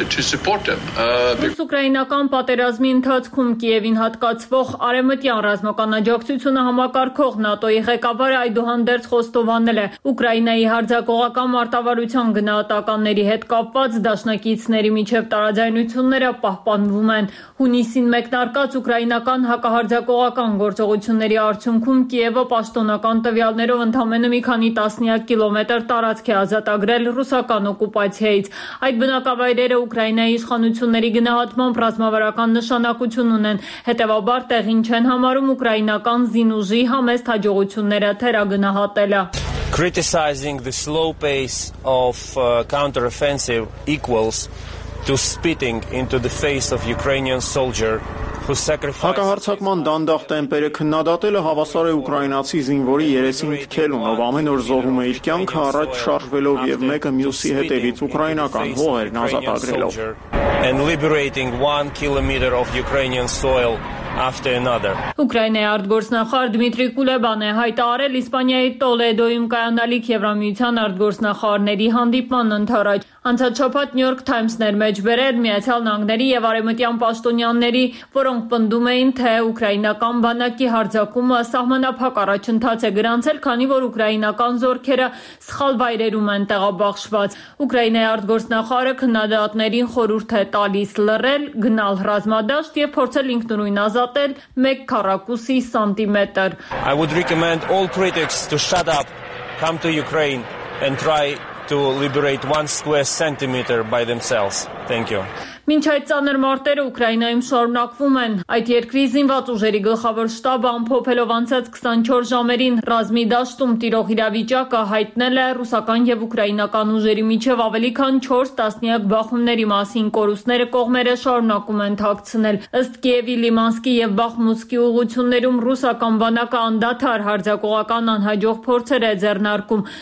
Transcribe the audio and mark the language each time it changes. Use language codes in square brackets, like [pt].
[hy] Ուկրաինական պատերազմի ընթացքում Կիևին հատկացվող արևմտյան ռազմական աջակցությունը համակարգող ՆԱՏՕ-ի ղեկավարը այդուհանդերձ խոստովանել է Ուկրաինայի հարձակողական մարտավարության գնահատականների հետ կապված դաշնակիցների միջև տարաձայնությունները պահպանվում են։ Հունիսին մեկնարկած ուկրաինական հակահարձակողական գործողությունների արդյունքում Կիևը պաշտոնական տվյալներով ընդամենը մի քանի տասնյակ կիլոմետր տարածք է ազատագրել ռուսական օկուպացիայից։ Այդ բնակավայրերը Ուկրաինայի իշխանությունների գնահատմամբ ռազմավարական նշանակություն ունեն, հետևաբար տեղին չեն համարում ուկրաինական զինուժի համեստ հաջողությունները թերագնահատելը։ [en] Criticizing the slow pace of counter-offensive equals to spitting into the face of Ukrainian soldier who sacrificed. [hy] Հակահարձակման դանդաղ տեմպերը քննադատելը հավասար է ուկրաինացի զինվորի երեսին թքելուն, ով ամեն օր զոհում է իր կյանքը առաջ շարժվելով եւ մեկը մյուսի հետևից ուկրաինական հողերն ազատագրելով. [en] And liberating 1 kilometer of Ukrainian soil after another. [hy] Ուկրաինայի արտգործնախարար Դմիտրի Կուլեբան է հայտարարել Իսպանիայի Տոլեդոյում կայանալիք Եվրամիության արտգործնախարարների հանդիպման ընթարաճ։ Անցած շաբաթ New York Times-ներ մեջ բերել Միացյալ Նահանգների եւ Արևմտյան Պաշտոնյանների, որոնք պնդում էին, թե ուկրաինական բանակի հարձակումը սահմանափակ առաջընթաց է գրանցել, քանի որ ուկրաինական զորքերը սխալ վայրերում են տեղաբախշված։ Ուկրաինայի արտգործնախարարը քննադատներին խորհուրդ է տալիս լռել, գնալ ռազմադաշտ եւ փորձել ինքնուրույն ազատել 1 քառակուսի սանտիմետր։ [en] I would recommend all critics to shut up, come to Ukraine and try to liberate 1 square centimeter by themselves. Thank you. [hy] Մինչ այդ ծանր մարտերը Ուկրաինայում շարունակվում են, այդ երկրի զինված ուժերի գլխավոր շտաբը ամփոփելով անցած 24 ժամերին ռազմիդաշտում տիրող իրավիճակը հայտնել է ռուսական եւ ուկրաինական ուժերի միջև ավելի քան 4 տասնյակ բախումների մասին կորուստները կողմերը շարունակում են թաքցնել։ Ըստ Կիևի, Լիմանսկի եւ Բախմուտսկի ուղություններում ռուսական բանակը անդադար հարձակողական անհաջող փորձեր է ձեռնարկում։